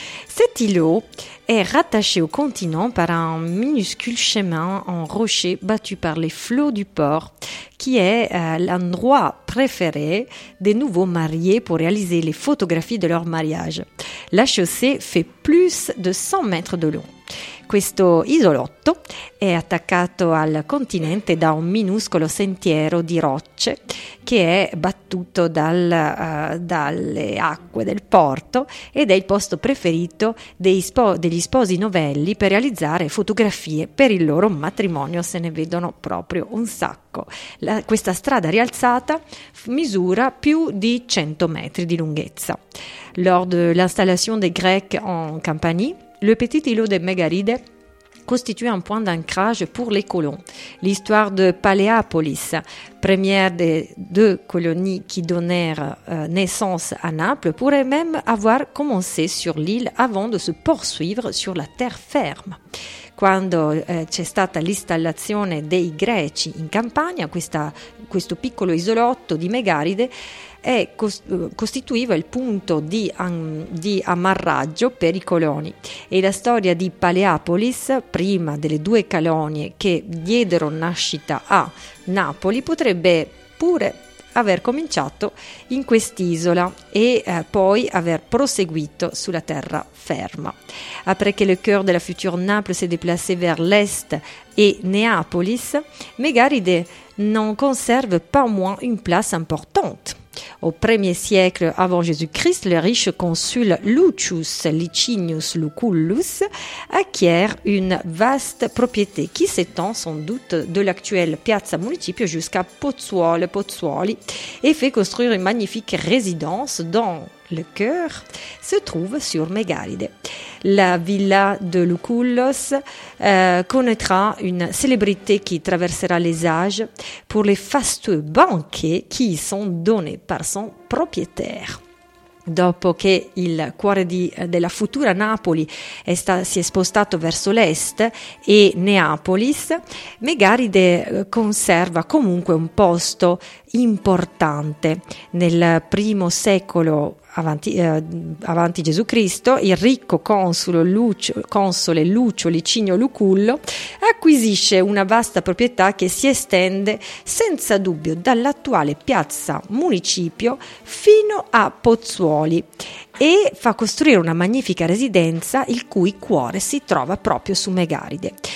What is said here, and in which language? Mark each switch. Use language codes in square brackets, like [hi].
[fr] Cet îlot est rattaché au continent par un minuscule chemin en rocher battu par les flots du port, qui est l'endroit préféré des nouveaux mariés pour réaliser les photographies de leur mariage. La chaussée fait plus de 100 mètres de long. [it] Questo isolotto è attaccato al continente da un minuscolo sentiero di rocce che è battuto dalle acque del porto ed è il posto preferito degli sposi novelli per realizzare fotografie per il loro matrimonio, se ne vedono proprio un sacco. Questa strada rialzata misura più di 100 metri di lunghezza. [fr] Lors de l'installation des Grecs en Campanie, le petit îlot de Mégaride constitue un point d'ancrage pour les colons. L'histoire de Paléapolis première des deux colonies qui donnèrent naissance à Naples, pourrait même avoir commencé sur l'île avant de se poursuivre sur la terre ferme. [it] Quando c'è stata l'installazione dei Greci in Campania, questo piccolo isolotto di Megaride costituiva il punto di amarraggio per i coloni. E la storia di Paleopolis, prima delle due colonie che diedero nascita a Napoli, potrebbe pure aver cominciato in quest'isola e poi aver proseguito sulla terra ferma. [fr] Après que le cœur de la future Naples s'est déplacé vers l'est et Néapolis, Mégaride n'en conserve pas moins une place importante. Au 1er siècle avant Jésus-Christ, le riche consul Lucius Licinius Lucullus acquiert une vaste propriété qui s'étend sans doute de l'actuelle Piazza Municipio jusqu'à Pozzuoli et fait construire une magnifique résidence dans le cœur se trouve sur Megalide. La villa de Lucullus connaîtra une célébrité qui traversera les âges pour les fastueux banquets qui y sont donnés par son propriétaire. [it] Dopo che il cuore della futura Napoli si è spostato verso l'est e Neapolis, Megaride conserva comunque un posto importante. Nel primo secolo avanti Gesù Cristo, il ricco console Lucio Licinio Lucullo acquisisce una vasta proprietà che si estende senza dubbio dall'attuale piazza Municipio fino a Pozzuoli e fa costruire una magnifica residenza il cui cuore si trova proprio su Megaride.